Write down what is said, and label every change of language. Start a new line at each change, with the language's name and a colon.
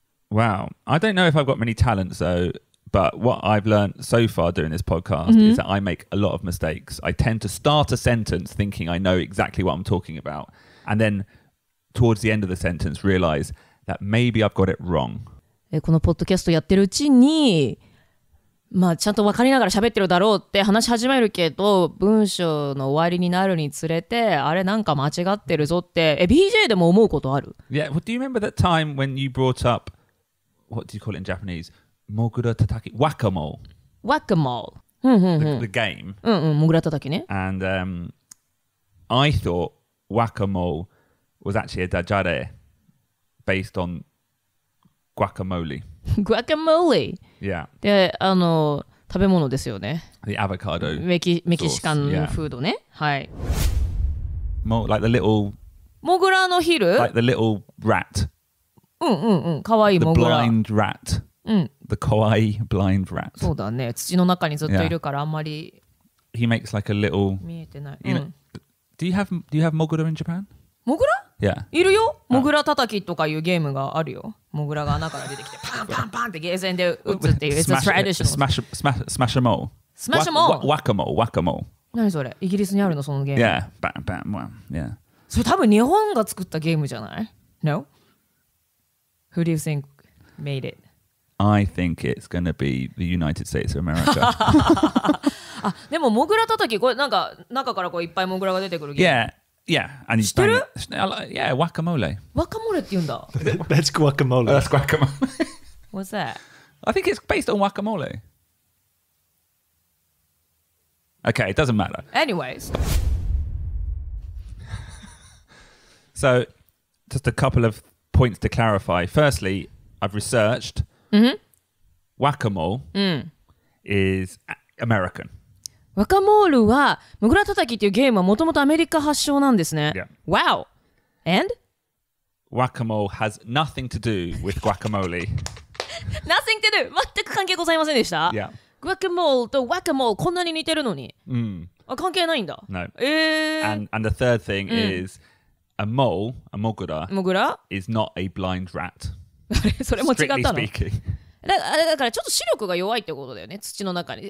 English: Wow. I don't know if I've got many talents though, but what I've learned so far doing this podcast mm-hmm. is that I make a lot of mistakes. I tend to start a sentence thinking I know exactly what I'm talking about, and then towards the end of the sentence realize that maybe I've got it wrong.
Japanese: このポッドキャストやってるうちに、まあちゃんと分かりながら喋ってるだろうって話し始めるけど、文章の終わりになるにつれて、あれなんか間違ってるぞって、BJ でも思うことある?
English: Yeah, well, do you remember that time when you brought up, what do you call it in Japanese?
Japanese: モグラ叩き、ワカモール。ワカモール。
English: The game.
Japanese: うんうん、モグラ叩きね。
English: And I thought ワカモール was actually a ダジャレ based on guacamole. Guacamole? Yeah.
Japanese: で、あの、食べ物ですよね。
English: The avocado.
Japanese: メキシカンフードね。はい。
English: もう、like the little.
Japanese: モグラのヒル?
English: Like the little rat.
Japanese: うんうんうん。かわいいモグラ。
English: The blind rat.
Japanese: うん。
English: The かわいい blind rat.
Japanese: そうだね。土の中にずっといるからあんまり。
English: He makes like a little.
Japanese: 見えてない。
English: You know, do you have モグラ in Japan?
Japanese: モグラ?
English: Yeah.
Japanese: いるよ。モグラ叩きとかいうゲームがあるよ。モグラが穴から出てきてパンパンパンってゲーセンで打つっていう。
English: It's a traditional. Smash a mole. Smash a mole. Whack a mole. Whack a mole.
Japanese: 何それ？イギリスにあるのそのゲーム
English: ？Yeah. Bam bam bam. Yeah.
Japanese: それ多分日本が作ったゲームじゃない？No.
English: Who do you think made it? I think it's gonna be the United States of America.
Japanese: あ、でもモグラ叩きこれなんか中からこういっぱいモグラが出てくるゲーム。
English: Yeah. Yeah, and you still? Yeah, guacamole.
Japanese: Guacamole って言うんだ?
English: That's guacamole. That's guacamole. What's that? I think it's based on guacamole. Okay, it doesn't matter. Anyways. So, just a couple of points to clarify. Firstly, I've researched. Guacamole is American.
Japanese: ワカモールはモグラ叩きっていうゲームはもともとアメリカ発祥なんですね。
English: Yeah. Wow! And? ワカモール has nothing to do with guacamole. Nothing to do!
Japanese: 全く関係ございませんでした。
English: Yeah.
Japanese: ワカモールとワカモールこんなに似てるのに。 Mm. あ、関係ないんだ。
English: No. And the third thing is a mole, a モグラ,
Japanese: モグラ
English: is not a blind rat.
Japanese: それも違ったの。
English: Strictly speaking.
Japanese: だからちょっと視力が弱いってことだよね、土の中に。